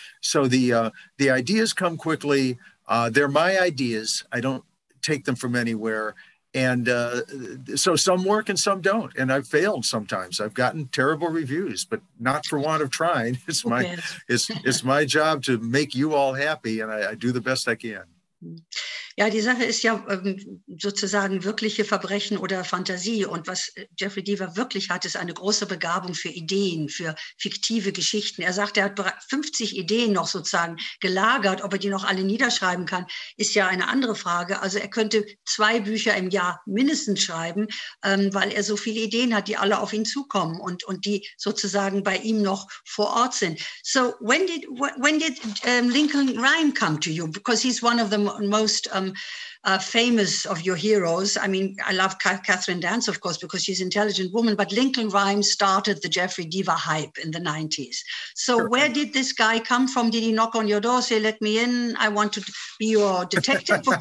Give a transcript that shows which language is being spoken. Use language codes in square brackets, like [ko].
[en] So the ideas come quickly. They're my ideas. I don't take them from anywhere. And so some work and some don't. And I've failed sometimes. I've gotten terrible reviews, but not for want of trying. It's my it's my job to make you all happy. And I do the best I can. [de] Ja, die Sache ist ja sozusagen wirkliche Verbrechen oder Fantasie. Und was Jeffery Deaver wirklich hat, ist eine große Begabung für Ideen, für fiktive Geschichten. Er sagt, er hat 50 Ideen noch sozusagen gelagert. Ob er die noch alle niederschreiben kann, ist ja eine andere Frage. Also er könnte 2 Bücher im Jahr mindestens schreiben, weil er so viele Ideen hat, die alle auf ihn zukommen und die sozusagen bei ihm noch vor Ort sind. [en] So when did Lincoln Rhyme come to you? Because he's one of the most famous of your heroes. I mean, I love Catherine Dance, of course, because she's an intelligent woman, but Lincoln Rhyme started the Jeffery Deaver hype in the 90s. So sure. Where did this guy come from? Did he knock on your door, say, let me in, I want to be your detective?